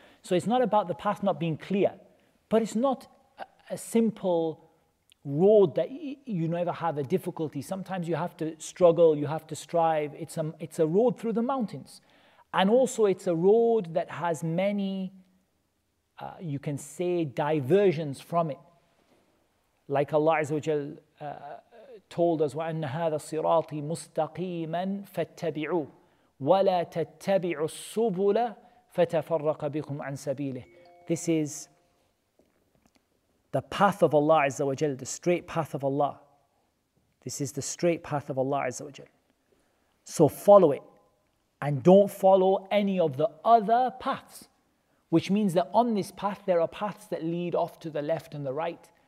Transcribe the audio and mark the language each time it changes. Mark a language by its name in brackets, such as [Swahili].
[English] So it's not about the path not being clear, but it's not a simple road that you never have a difficulty. Sometimes you have to struggle, you have to strive. It's a road through the mountains. And also it's a road that has many, you can say, diversions from it. Like Allah Azza wa Jal told us, [Arabic] وَأَنَّ هَذَا الصِّرَاطِ مُسْتَقِيمًا فَاتَّبِعُوا وَلَا تَتَّبِعُوا السُّبُلَ فَتَفَرَّقَ بِكُمْ عَنْ سَبِيلِهِ. [English] This is the path of Allah Azza wa Jal, the straight path of Allah. This is the straight path of Allah Azza wa Jal. So follow it. And don't follow any of the other paths. Which means that on this path, there are paths that lead off to the left and the right.